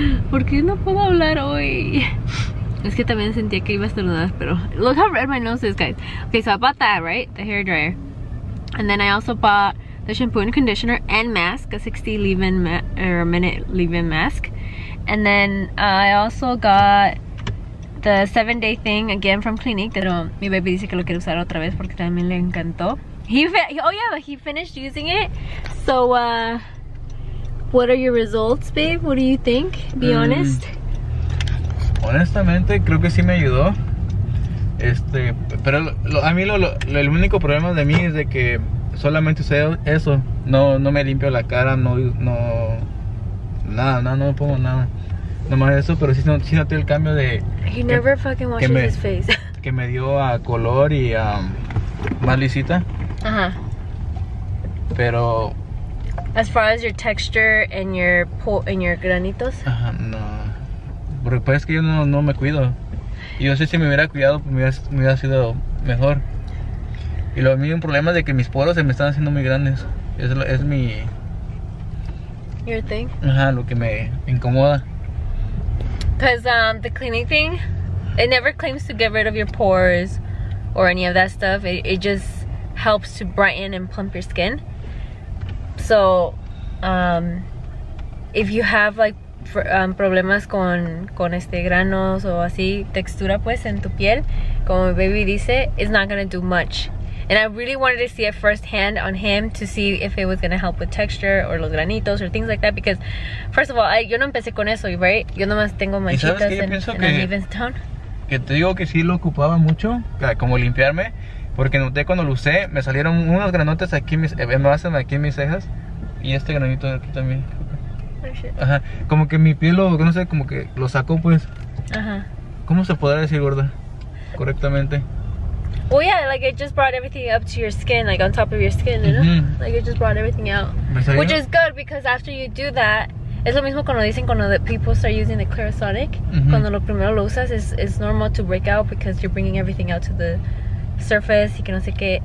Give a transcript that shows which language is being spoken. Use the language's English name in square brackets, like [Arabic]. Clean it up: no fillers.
[Spanish] ¿Por qué no puedo hablar hoy? Es que también sentía que iba a estornudar, pero [English] look how red my nose is, guys. Okay, so I bought that, right, the hair dryer. And then I also bought the shampoo and conditioner and mask, a 60 leave-in minute leave-in mask. And then I also got the 7-day thing again from Clinique. [Spanish] Pero mi baby dice que lo quiere usar otra vez porque también le encantó. [English] He finished using it. So what are your results, babe? What do you think? Be honest. [Spanish] Honestamente, creo que sí me ayudó. Pero a mí el único problema de mí es de que solamente usé eso. No me limpio la cara, no nada, no me pongo nada. Nomás eso, pero sí noté el cambio de... [English] He never fucking washes his face. [Spanish] Que me dio a color y a más lisita. Ajá. Pero... [English] As far as your texture and your granitos. [Spanish] Ajá, no. Porque es que yo no me cuido. Yo sé si me hubiera cuidado, pues me hubiera sido mejor. Y lo mío, un problema de que mis poros se me están haciendo muy grandes. Es mi... [English] Your thing? [Spanish] Ajá, lo que me incomoda. [English] Because the cleaning thing, it never claims to get rid of your pores or any of that stuff. It just helps to brighten and plump your skin. So, if you have like... [Spanish] problemas con granos o así, textura pues en tu piel, como baby dice, [English] it's not gonna do much. And I really wanted to see it firsthand on him to see if it was gonna help with texture or [Spanish] los granitos [English] or things like that, because first of all, [Spanish] yo no empecé con eso, [English] right? [Spanish] Yo nomás tengo manchitas en [English] uneven tone. [Spanish] Que te digo que sí lo ocupaba mucho, como limpiarme, porque noté cuando lo usé, me salieron unos granotes aquí, aquí en mis cejas, y este granito de aquí también. Oh, ajá, como que mi piel lo, no sé, como que lo sacó pues. Ajá. ¿Cómo se podrá decir gorda? Correctamente. [English] Well, yeah, like it just brought everything up to your skin, like on top of your skin, you know? Mm-hmm. Like it just brought everything out. Which is good because after you do that, [Spanish] es lo mismo cuando dicen cuando [English] the people start using the Clarisonic. Mm-hmm. [Spanish] Cuando lo primero lo usas, [English] it's normal to break out because you're bringing everything out to the surface, [Spanish] y que no sé qué.